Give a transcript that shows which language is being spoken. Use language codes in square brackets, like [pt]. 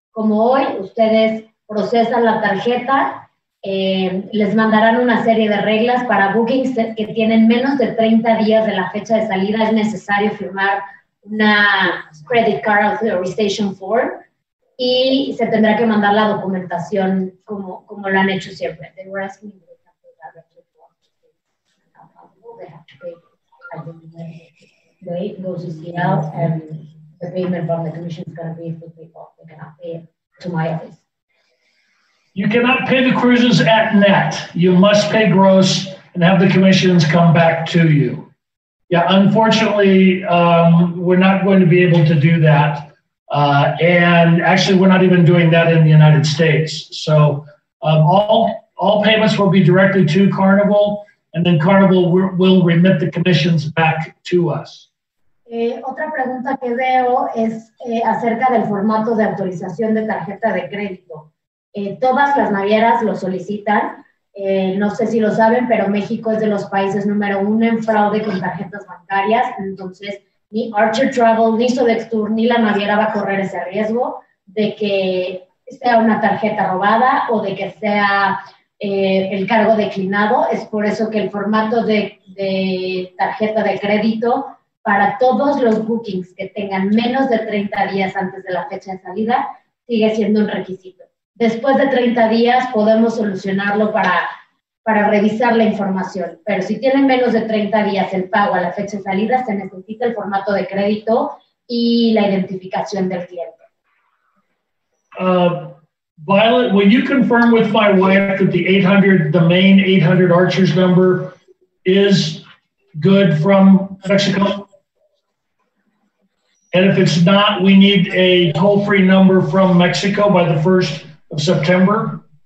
[es] Como hoy, ustedes procesan la tarjeta, les mandarán una serie de reglas para bookings que tienen menos de 30 días de la fecha de salida. Es necesario firmar una credit card authorization form. Y se tendrá que mandar la documentación como lo han hecho siempre. [en] They were asking me if I have to pay. They have to pay. Wait, goes to see out, and the payment from the commission is going to be for people. They cannot pay it to my office. You cannot pay the cruises at net. You must pay gross and have the commissions come back to you. Yeah, unfortunately, we're not going to be able to do that. And actually, we're not even doing that in the United States. So all payments will be directly to Carnival, and then Carnival will remit the commissions back to us. [es] Otra pregunta que veo es acerca del formato de autorización de tarjeta de crédito. Todas las navieras lo solicitan. No sé si lo saben, pero México es de los países número uno en fraude con tarjetas bancarias. Entonces, ni Archer Travel, ni Sodex Tour, ni la naviera va a correr ese riesgo de que sea una tarjeta robada o de que sea el cargo declinado. Es por eso que el formato de tarjeta de crédito para todos los bookings que tengan menos de 30 días antes de la fecha de salida sigue siendo un requisito. Después de 30 días podemos solucionarlo para revisar la información. Pero si tienen menos de 30 días el pago a la fecha de salida, se necesita el formato de crédito y la identificación del cliente. [en] Violet, will you confirm with my wife that the 800, the main 800 Archer's number is good from Mexico? And if it's not, we need a toll-free number from Mexico by the 1st of September.